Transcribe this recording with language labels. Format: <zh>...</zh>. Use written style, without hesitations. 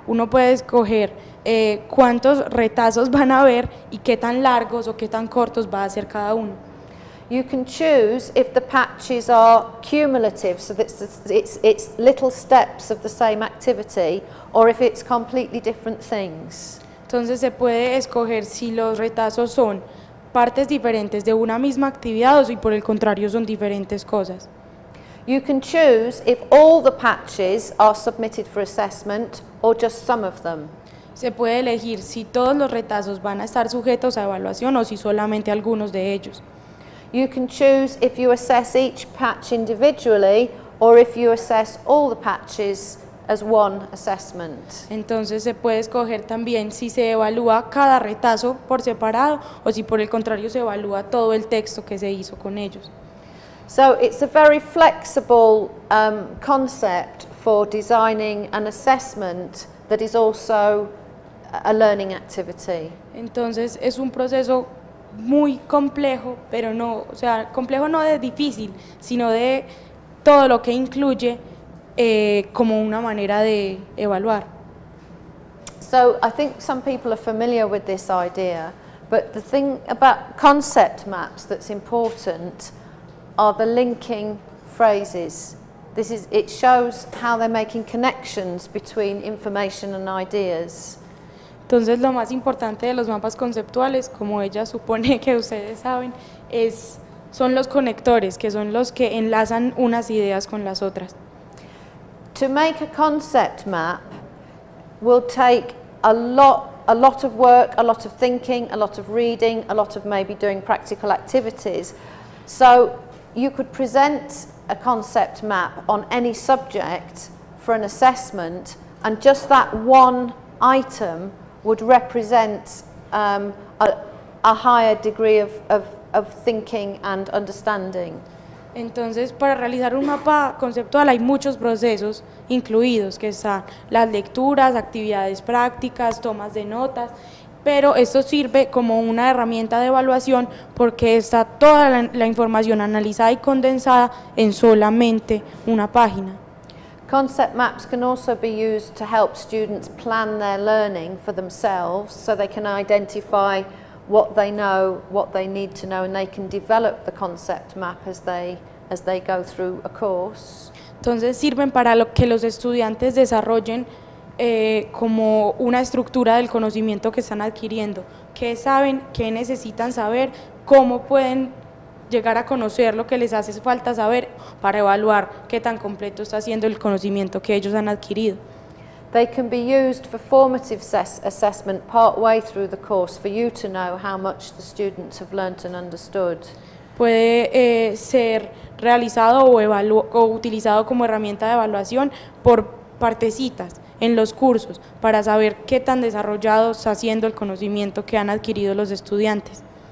<es>Uno puede escoger cuántos retazos van a haber y qué tan largos o qué tan cortos va a ser cada uno.</es> <en>You can choose if the patches are cumulative, so that it's little steps of the same activity, or if it's completely different things.</en> <es>Entonces se puede escoger si los retazos son partes diferentes de una misma actividad o si por el contrario son diferentes cosas.</es> <en>You can choose if all the patches are submitted for assessment or just some of them.</en> <es>Se puede elegir si todos los retazos van a estar sujetos a evaluación o si solamente algunos de ellos.</es> <en>You can choose if you assess each patch individually or if you assess all the patches as one assessment.</en> <es>Entonces se puede escoger también si se evalúa cada retazo por separado o si por el contrario se evalúa todo el texto que se hizo con ellos.</es> <en>So it's a very flexible concept for designing an assessment that is also a learning activity.</en> <es>Entonces es un proceso muy complejo, pero no, o sea, complejo no de difícil, sino de todo lo que incluye como una manera de evaluar.</es> <en>So I think some people are familiar with this idea, but the thing about concept maps that's important are the linking phrases. This is, it shows how they're making connections between information and ideas.</en> <es>Entonces lo más importante de los mapas conceptuales, como ella supone que ustedes saben, es, son los conectores, que son los que enlazan unas ideas con las otras.</es> <en>To make a concept map will take a lot of work, a lot of thinking, a lot of reading, a lot of maybe doing practical activities. So you could present a concept map on any subject for an assessment, and just that one item would represent a higher degree of thinking and understanding.</en> <es>Entonces, para realizar un mapa conceptual hay muchos procesos incluidos, que son las lecturas, actividades prácticas, tomas de notas, pero esto sirve como una herramienta de evaluación porque está toda la información analizada y condensada en solamente una página.</es> <en>Concept maps can also be used to help students plan their learning for themselves so they can identify what they know, what they need to know, and they can develop the concept map as they go through a course.</en> <es>Entonces sirven para lo que los estudiantes desarrollen como una estructura del conocimiento que están adquiriendo. ¿Qué saben? ¿Qué necesitan saber? ¿Cómo pueden llegar a conocer lo que les hace falta saber para evaluar qué tan completo está siendo el conocimiento que ellos han adquirido?</es> <en>They can be used for formative assessment partway through the course for you to know how much the students have learnt and understood.</en> <es>Puede ser realizado o utilizado como herramienta de evaluación por partecitas en los cursos para saber qué tan desarrollado está siendo el conocimiento que han adquirido los estudiantes.</es>